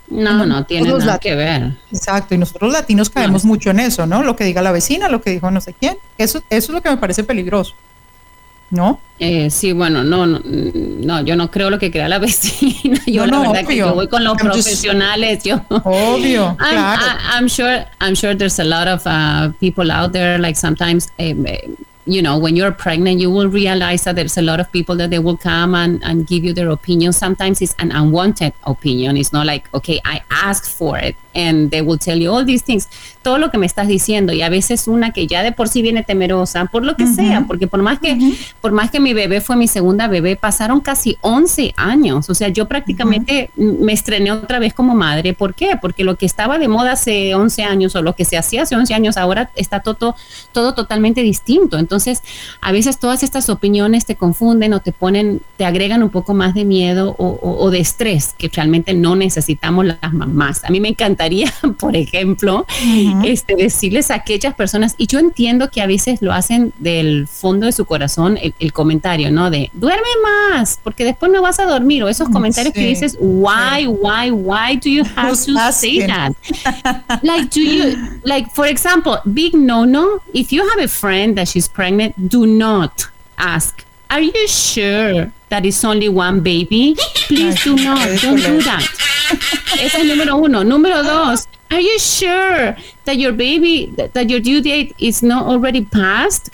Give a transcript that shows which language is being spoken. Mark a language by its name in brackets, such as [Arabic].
[Spanish] No tiene nada que ver. Exacto, y nosotros latinos caemos mucho en eso, ¿no? Lo que diga la vecina, lo que dijo no sé quién. Eso es lo que me parece peligroso, ¿no? Sí, bueno, no, yo no creo lo que crea la vecina. Yo voy con los profesionales. Obvio, claro. [English] I'm sure there's a lot of people out there, like sometimes... you know, when you're pregnant, you will realize that there's a lot of people that they will come and give you their opinion. Sometimes it's an unwanted opinion. It's not like, okay, I asked for it. And they will tell you all these things. [Spanish] Todo lo que me estás diciendo. Y a veces una que ya de por sí viene temerosa, por lo que uh-huh. sea. Porque por más que mi bebé fue mi segunda bebé, pasaron casi 11 años. O sea, yo prácticamente uh-huh. me estrené otra vez como madre. ¿Por qué? Porque lo que estaba de moda hace 11 años o lo que se hacía hace 11 años, ahora está todo totalmente distinto. Entonces, a veces todas estas opiniones te confunden o te agregan un poco más de miedo o de estrés que realmente no necesitamos las mamás. A mí me encantaría, por ejemplo, uh-huh. Decirles a aquellas personas, y yo entiendo que a veces lo hacen del fondo de su corazón, el comentario, ¿no? De duerme más, porque después no vas a dormir, o esos comentarios sí. que dices, [English] why do you have to say that? Like, for example, big no, if you have a friend that she's pregnant, do not ask, are you sure that it's only one baby? Please do not, don't do that. [Spanish] Ese es el número uno. Número dos, [English] are you sure that your baby, that your due date is not already passed?